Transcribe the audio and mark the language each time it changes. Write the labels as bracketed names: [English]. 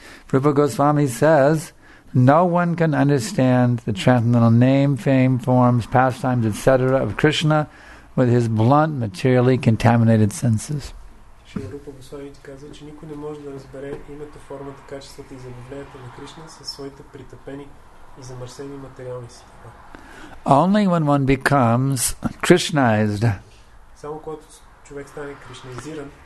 [English] Rupa Goswami says, no one can understand the transcendental name, fame, forms, pastimes, etc. of Krishna with his blunt, materially contaminated senses. [Bulgarian] Шри Рупа Госвамите казва, че никой не може да разбере името, формата, качествата и забавлението на Кришна със своите притъпени и замърсени материални сетива. [English] Only when one becomes Krishnaized, [Bulgarian] само когато човек стане кришнаизиран,